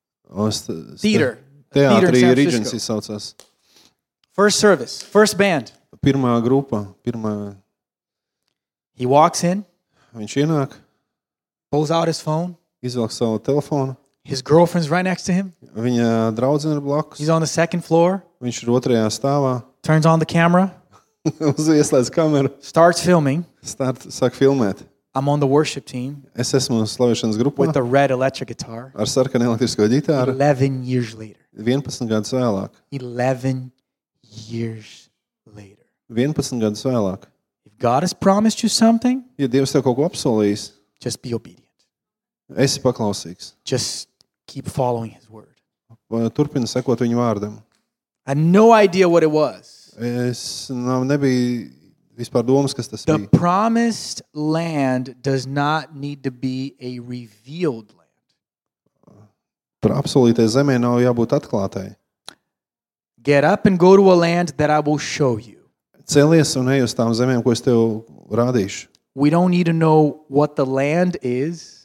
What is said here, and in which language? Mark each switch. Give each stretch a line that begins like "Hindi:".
English: Theater.
Latvian: Teatri Regency saucas.
English: First service, first band.
Latvian: Pirmā grupa, pirmā.
English: He walks in.
Latvian: Viņš ienāk.
English: Pulls out his phone.
Latvian: Izvelk savu telefonu.
English: His girlfriend's right next to him.
Latvian: Viņa draudzene ir blakus.
English: He's on the second floor.
Latvian: Viņš ir otrajā stāvā.
English: Turns on the camera.
Latvian: Ieslēdz kameru.
English: Starts filming.
Latvian: Sāk filmēt.
English: I'm on the worship team.
Latvian: Es esmu slavēšanas grupā.
English: With the red electric guitar.
Latvian: Ar sarkanu elektrisko ģitāru.
English: 11 years later.
Latvian: 11 gadus vēlāk.
English: 11 years later.
Latvian: 11 gadus vēlāk.
English: If God has promised you something,
Latvian: ja Dievs tev kaut ko apsolījis,
English: just be obedient.
Latvian: Esi paklausīgs.
English: Just keep following his word.
Latvian: Turpini sekot viņu vārdam.
English: I had no idea what it was.
Latvian: Es nebija vispār domas, kas tas bija.
English: The promised land does not need to be a revealed land.
Latvian: Par apsolītajai zemē nav jābūt atklātai.
English: Get up and go to a land that I will show you.
Latvian: Celies un ej uz tām zemēm, ko es tev rādīšu.
English: We don't need to know what the land is.